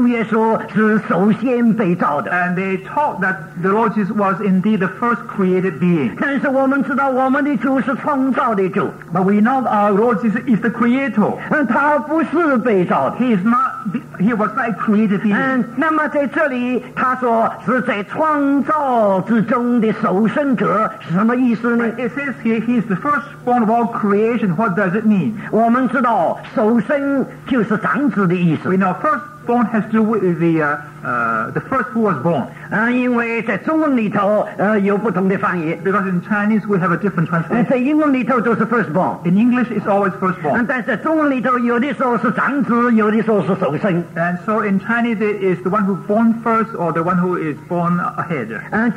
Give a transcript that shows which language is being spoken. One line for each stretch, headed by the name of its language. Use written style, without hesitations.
Chinese: 他们用这句话来说，我们的主耶稣是首先被造的。
English: And they taught that the Lord Jesus was indeed the first created being.
Chinese: 但是我们知道我们的主是创造的主。
English: But we know our Lord Jesus is the creator.
Chinese: 他不是被造的。
English: He was not created being.
Chinese: 那么在这里他说是在创造之中的首生者，什么意思呢？
English: It says here he is the firstborn of all creation. What does it mean?
Chinese: 我们知道首生就是长子的意思。
English: We know first born has to do with the first who was born.
Chinese: 因为在中文里头有不同的翻译。
English: Because in Chinese we have a different translation.
Chinese: 在英文里头都是
English: first born. In English it's always first born.
Chinese: 但是在中文里头有的时候是长子，有的时候是首生。
English: And so in Chinese it is the one who born first or the one who is born ahead.